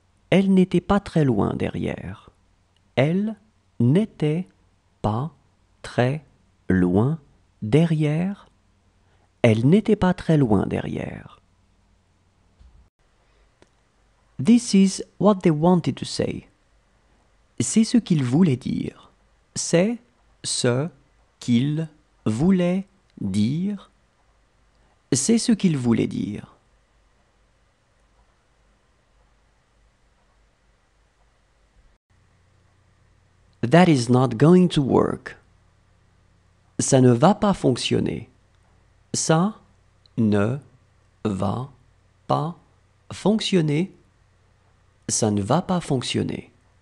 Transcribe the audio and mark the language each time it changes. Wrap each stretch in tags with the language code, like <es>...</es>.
<fr>Elle n'était pas très loin derrière. Elle n'était pas très loin derrière. Elle n'était pas très loin derrière.</fr> <en>This is what they wanted to say.</en> <fr>C'est ce qu'ils voulaient dire. C'est ce qu'ils voulaient dire. C'est ce qu'ils voulaient dire.</fr> <en>That is not going to work.</en> <fr>Ça ne va pas fonctionner. Ça ne va pas fonctionner. Ça ne va pas fonctionner.</fr>